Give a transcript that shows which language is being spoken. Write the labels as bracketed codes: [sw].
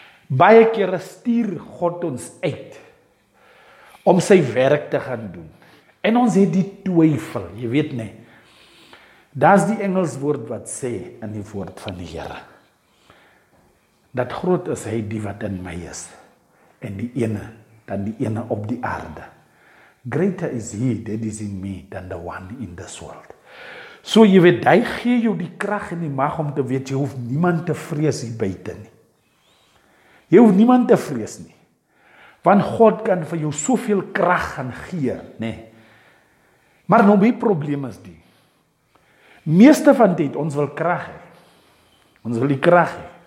[af] Baie kere stuur God ons uit om sy werk te gaan doen. En ons het die twyfel, jy weet nie. Da's die Engels woord wat sê in die woord van die Here. Dat groot is hy die wat in my is. En die ene, dan die ene op die aarde. [en] Greater is he that is in me than the one in this world. [af] So jy weet, hy gee jou die krag en die mag om te weet, jy hoef niemand te vrees hier buiten nie. Jy hoef niemand te vrees nie. Want God kan vir jou soveel krag gaan gee, nee. Maar nou my probleem is die. Meeste van dit, ons wil krag hê. Ons wil die krag hê.